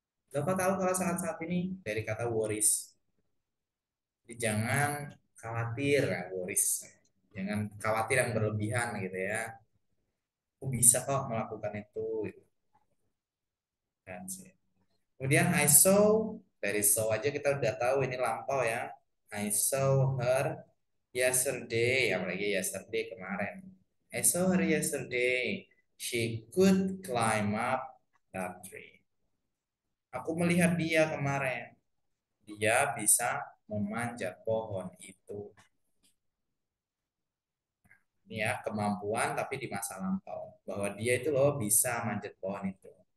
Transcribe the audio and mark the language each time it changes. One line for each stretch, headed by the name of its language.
Indonesian: Bapak tahu kalau saat-saat ini dari kata worries. Jadi jangan khawatir, worries. Jangan khawatir yang berlebihan gitu ya. Aku bisa kok melakukan itu. Dan sih. Kemudian
English: I saw,
Indonesian: dari saw aja kita udah tahu ini lampau ya.
English: I saw her yesterday,
Indonesian: apalagi
English: yesterday
Indonesian: kemarin.
English: I saw her yesterday, she could climb up that tree.
Indonesian: Aku melihat dia kemarin. Dia bisa memanjat pohon itu. Ya, kemampuan tapi di masa lampau. Bahwa dia itu loh bisa manjat pohon itu.